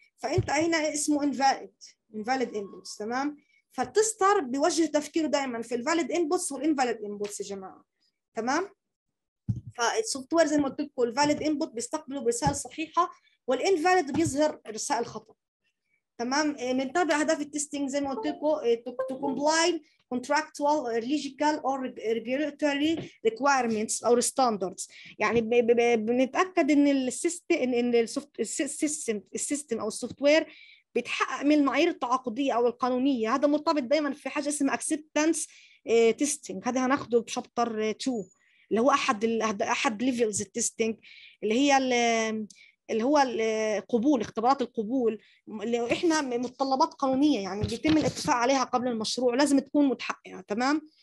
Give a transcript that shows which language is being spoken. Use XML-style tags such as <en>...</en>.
<ar>فانت هنا اسمه invalid inputs، تمام. فالتستر بيوجه تفكيره دائما في الفاليد انبوتس والانفاليد انبوتس يا جماعة، تمام. فالسوفت وير زي ما قلت لكم الفاليد انبوت بيستقبله برسالة صحيحة، والانفاليد بيظهر رسائل خطأ، تمام. بنتابع اهداف التستنج زي ما قلت لكم</ar> <en>to comply contractual legal or regulatory requirements or standards.</en> <ar>يعني بنتاكد ان السيستم ان السوفت السيستم السيستم او السوفت وير بيتحقق من المعايير التعاقديه او القانونيه. هذا مرتبط دايما في حاجه اسمها اكسبتنس تيستنج، هذا هناخده بشابتر 2 اللي هو احد ليفلز التيستنج، اللي هو القبول، اختبارات القبول اللي احنا متطلبات قانونيه يعني بيتم الاتفاق عليها قبل المشروع لازم تكون متحققه، تمام.</ar>